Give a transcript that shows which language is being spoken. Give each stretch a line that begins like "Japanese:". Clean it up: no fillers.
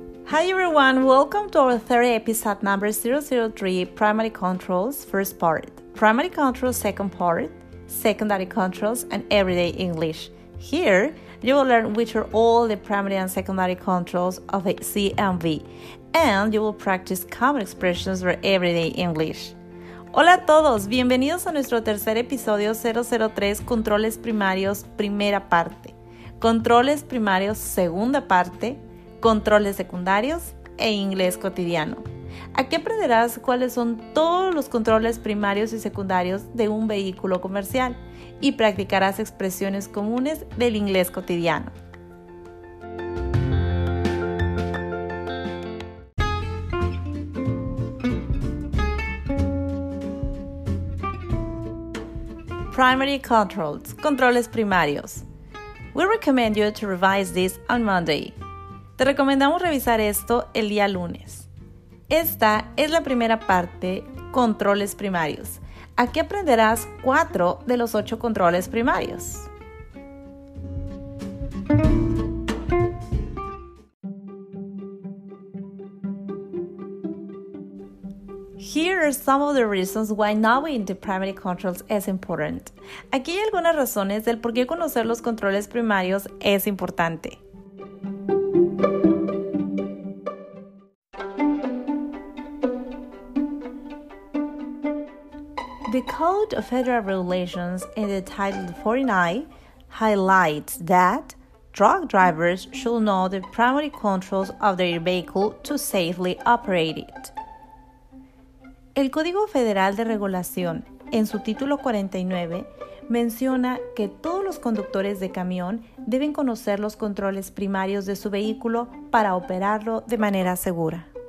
English: Hi everyone, welcome to our third episode number 003, Primary Controls, First Part. Primary Controls, Second Part, Secondary Controls, and Everyday English. Here, you will learn which are all the primary and secondary controls of a CMV, and you will practice common expressions for everyday English.
Spanish: Hola a todos, bienvenidos a nuestro tercer episodio 003, Controles Primarios, Primera Parte. Controles Primarios, Segunda Parte. Controles secundarios e inglés cotidiano. Aquí aprenderás cuáles son todos los controles primarios y secundarios de un vehículo comercial y practicarás expresiones comunes del inglés cotidiano.
English: Primary controls,
Spanish: controles primarios.
English: We recommend you to revise this on Monday.
Spanish: Te recomendamos revisar esto el día lunes. Esta es la primera parte, controles primarios. Aquí aprenderás 4 de los 8 controles primarios.
English: Here are some of the reasons why knowing the primary controls is important.
Spanish: Aquí hay algunas razones del por qué conocer los controles primarios es importante.
English: The Code of Federal Regulations in the Title 49 highlights that truck drivers should know the primary controls of their vehicle to safely operate it.
Spanish: El Código Federal de Regulación, en su título 49, menciona que todos los conductores de camión deben conocer los controles primarios de su vehículo para operarlo de manera segura.